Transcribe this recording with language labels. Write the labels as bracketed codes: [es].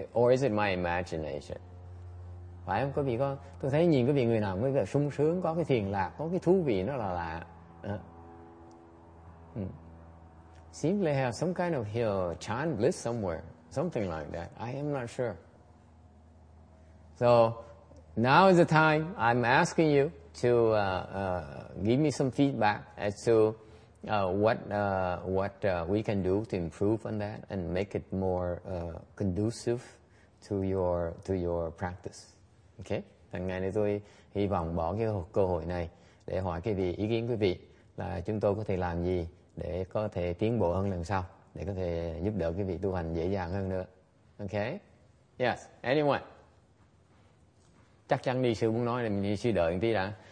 [en] Is it my imagination? [vi] Phải không quý vị có? Tôi thấy nhìn quý vị người nào cũng có vẻ sung sướng, có cái thiền lạc, có cái thú vị nó là lạ. [en] Seems like have some kind of chan bliss somewhere, something like that. I am not sure. So now is the time I'm asking you to give me some feedback as to what we can do to improve on that and make it more conducive to your practice. Okay? [vi] Thằng ngày này tôi hy vọng bỏ cái cơ hội này để hỏi quý vị, ý kiến quý vị là chúng tôi có thể làm gì để có thể tiến bộ hơn lần sau, để có thể giúp đỡ quý vị tu hành dễ dàng hơn nữa. Okay? [en] Yes, anyone? [vi] Chắc chắn đi sư muốn nói là mình đi sư đợi một tí đã.